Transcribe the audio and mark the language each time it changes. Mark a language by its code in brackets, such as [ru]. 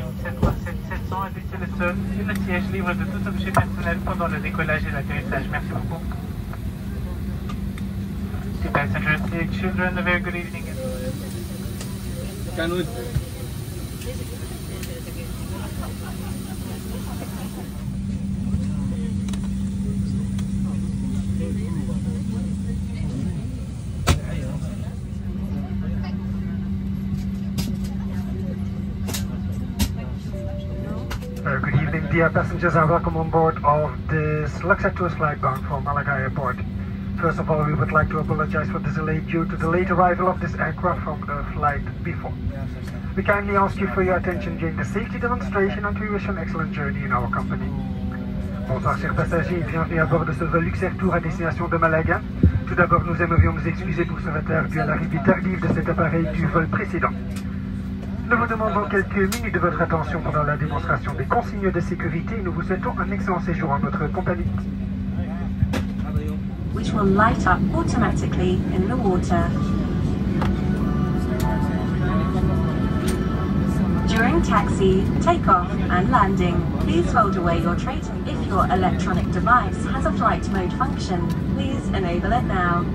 [fr] Merci, je livre de tout objet personnel pendant le décollage et l'atterrissage. Merci beaucoup. [en] The passengers, the children, a very good evening. Can we? Dear passengers, and welcome on board of this Luxair flight bound for Malaga Airport. First of all, we would like to apologize for the delay due to the late arrival of this aircraft from the flight before. We kindly ask you for your attention during the safety demonstration, and we wish an excellent journey in our company. [fr] Bonsoir, chers passagers, bienvenue à bord de ce vol Luxair Tour à destination de Malaga. Tout d'abord, nous aimerions nous excuser pour ce retard dû à l'arrivée tardive de cet appareil du vol précédent. Nous vous demandons quelques minutes de votre attention pendant la démonstration des consignes de sécurité. Nous vous souhaitons un excellent séjour en notre compagnie. [en] Which will light up automatically in the water. During taxi, takeoff and landing, please fold away your tray. If your electronic device has a flight mode function, please enable it now.